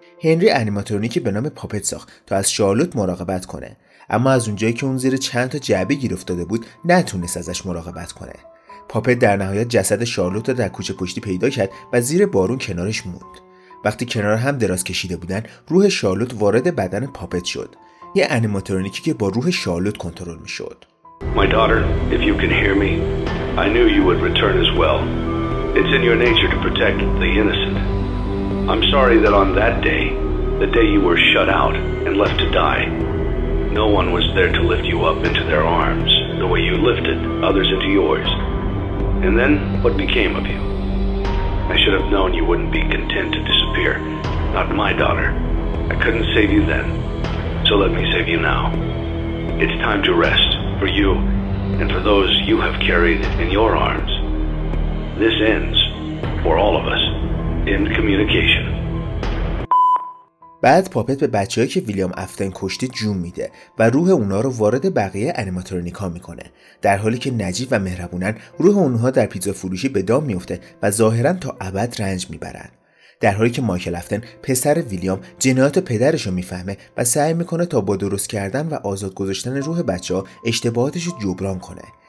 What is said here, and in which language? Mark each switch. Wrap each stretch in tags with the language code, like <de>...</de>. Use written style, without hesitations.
<fa>هنری انیماتورونیکی به نام پاپت ساخت تا از شارلوت مراقبت کنه، اما از اونجایی که اون زیر چند تا جعبه گیر افتاده بود نتونست ازش مراقبت کنه. پاپت در نهایت جسد شارلوت را در کوچه پشتی پیدا کرد و زیر بارون کنارش موند. وقتی کنار هم دراز کشیده بودن، روح شارلوت وارد بدن پاپت شد، یه انیماتورونیکی که با روح شارلوت کنترل میشد.</fa> <en>My daughter, if you can hear me, I knew you would return as well. It's in your nature to protect the innocent. I'm sorry that on that day, the day you were shut out and left to die, no one was there to lift you up into their arms the way you lifted others into yours. And then, what became of you? I should have known you wouldn't be content to disappear. Not my daughter. I couldn't save you then. So let me save you now. It's time to rest for you and for those you have carried in your arms. This ends for all of us in communication. با</en> <fa>بعد پاپت به بچه‌هایی که ویلیام افتن کشته جون میده و روح اونا رو وارد بقیه انیماتورنیکا میکنه، در حالی که نجیب و مهربونن روح اونها در پیتزا فروشی به دام میفته و ظاهرا تا ابد رنج میبرن، در حالی که مایکل افتن پسر ویلیام جنایات پدرش رو میفهمه و سعی میکنه تا با درست کردن و آزاد گذاشتن روح بچه‌ها اشتباهاتش رو جبران کنه.</fa>